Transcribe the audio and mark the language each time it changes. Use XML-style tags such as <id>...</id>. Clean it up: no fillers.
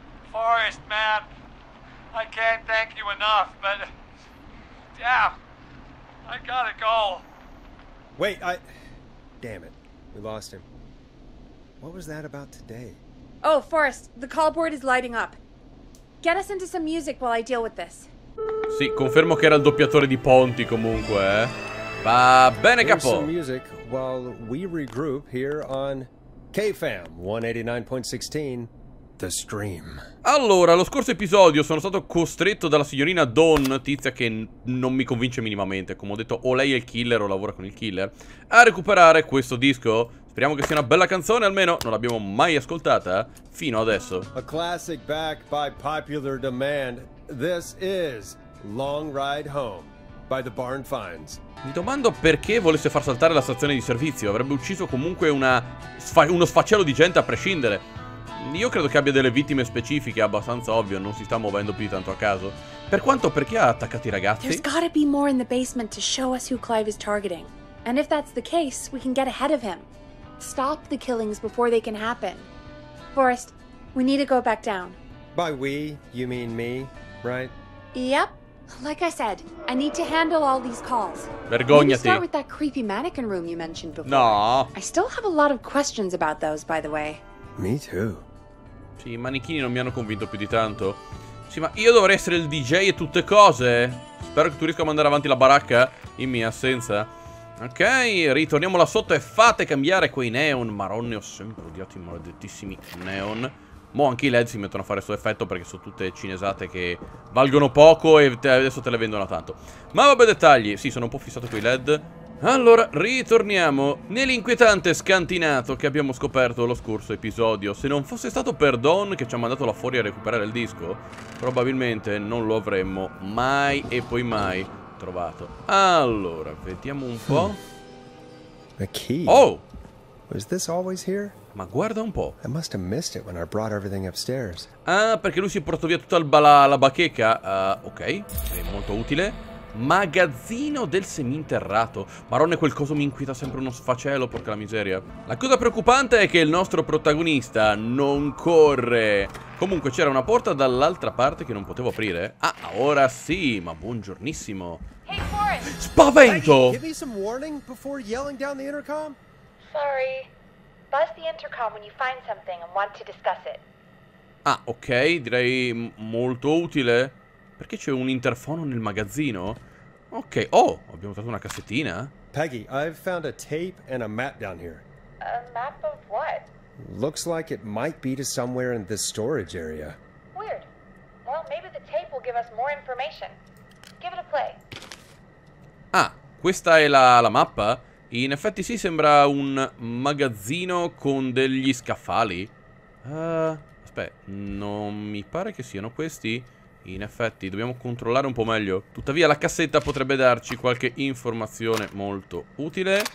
<en>Forrest, man, I can't thank you enough, but yeah, I gotta go. Wait, I... Damn it, we lost him. What was that about today? Oh, Forrest, the call board is lighting up. Get us into some music while I deal with this.</en> <it>Sì, confermo che era il doppiatore di Ponti comunque, eh. Va bene, capo.</it> <en>Some music while we regroup here on KFAM 189.16. The stream.</en> <it>Allora, lo scorso episodio sono stato costretto dalla signorina Dawn, tizia che non mi convince minimamente, come ho detto, o lei è il killer o lavora con il killer, a recuperare questo disco. Speriamo che sia una bella canzone, almeno non l'abbiamo mai ascoltata fino adesso.</it> <en>A classic back by popular demand. This is Long Ride Home by the Barn Finds.</en> <it>Mi domando perché volesse far saltare la stazione di servizio. Avrebbe ucciso comunque uno sfacelo di gente a prescindere. Io credo che abbia delle vittime specifiche, abbastanza ovvio, non si sta muovendo più di tanto a caso. Per quanto, perché ha attaccato i ragazzi?</it> <en>There's gotta be more in the basement to show us who Clive is targeting. And if that's the case, we can get ahead of him. Stop the killings before they can happen. Forrest, we need to go back down. By we, you mean me, right? Yep. Like I said, I need to handle all these calls.</en> <it>Vergognati.</it> <en>Maybe start with that creepy mannequin room you mentioned before. No. I still have a lot of questions about those, by the way. Me too.</en> <it>Sì, i manichini non mi hanno convinto più di tanto. Sì, ma io dovrei essere il DJ e tutte cose. Spero che tu riesca a mandare avanti la baracca in mia assenza. Ok, ritorniamo là sotto e fate cambiare quei neon. Maronne, ho sempre odiato i maledettissimi neon. Mo anche i led si mettono a fare il suo effetto perché sono tutte cinesate che valgono poco e adesso te le vendono tanto. Ma vabbè, dettagli. Sì, sono un po' fissato con i led. Allora, ritorniamo nell'inquietante scantinato che abbiamo scoperto lo scorso episodio. Se non fosse stato per Don che ci ha mandato là fuori a recuperare il disco, probabilmente non lo avremmo mai e poi mai trovato. Allora, vediamo un po'.</it> <en>A key. Oh! Was this always here?</en> <it>Ma guarda un po'.</it> <en>I must have missed it when I brought everything upstairs.</en> <it>Ah, perché lui si è portato via tutta la bacheca? Ok, è molto utile. Magazzino del seminterrato. Maronne, quel coso mi inquieta sempre uno sfacelo, porca la miseria. La cosa preoccupante è che il nostro protagonista non corre. Comunque c'era una porta dall'altra parte che non potevo aprire. Ah, ora sì, ma buongiornissimo.</it> <en>Hey, Forrest.</en> <it>Spavento!</it> <en>Hey, give me some warning before yelling down the intercom? Sorry. Buzz the intercom when you find something and want to discuss it.</en> <it>Ah, ok, direi molto utile. Perché c'è un interfono nel magazzino? Ok, oh, abbiamo trovato una cassettina.</it> <en>Peggy, I've found a tape and a map down here. A map of what? Looks like it might be to somewhere in this storage area. Weird. Well, maybe the tape will give us more information. Give it a play.</en> <it>Ah, questa è la mappa? In effetti sì, sembra un magazzino con degli scaffali. Aspetta, non mi pare che siano questi. In effetti, dobbiamo controllare un po' meglio. Tuttavia, la cassetta potrebbe darci qualche informazione molto utile.</it>